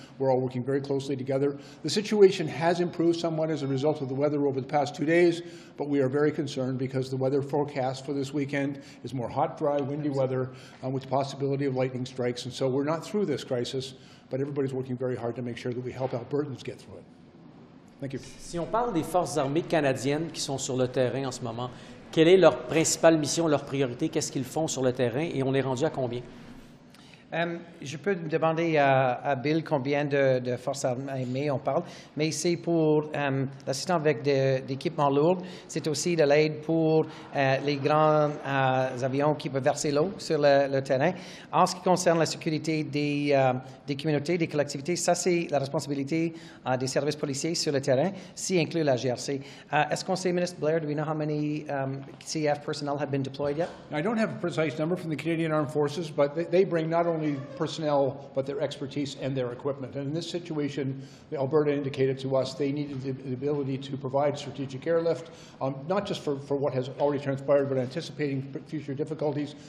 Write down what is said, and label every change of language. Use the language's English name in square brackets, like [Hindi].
[English] We're all working very closely together. The situation has improved somewhat as a result of the weather over the past 2 days, but we are very concerned because the weather forecast for this weekend is more hot, dry, windy weather with the possibility of lightning strikes. And so we're not through this crisis, but everybody's working very hard to make sure that we help Albertans get through it. Thank you. [French] Si on parle des forces armées canadiennes qui sont sur le terrain en ce moment, quelle est leur principale mission, leur priorité? Qu'est-ce qu'ils font sur le terrain? Et on est rendu à combien? Je peux demander à Bill combien de forces armées on parle, mais c'est pour l'assistance avec des équipements lourds. C'est aussi de l'aide pour les grands avions qui peuvent verser l'eau sur le terrain. En ce qui concerne la sécurité des communautés, des collectivités, ça c'est la responsabilité des services policiers sur le terrain, s'y inclut la GRC. Est-ce qu'on sait, Ministre Blair, [English] do we know how many CAF personnel have been deployed yet? I don't have a precise number from the Canadian Armed Forces, but they bring not only personnel, but their expertise and their equipment. And in this situation, Alberta indicated to us they needed the ability to provide strategic airlift, not just for what has already transpired, but anticipating future difficulties.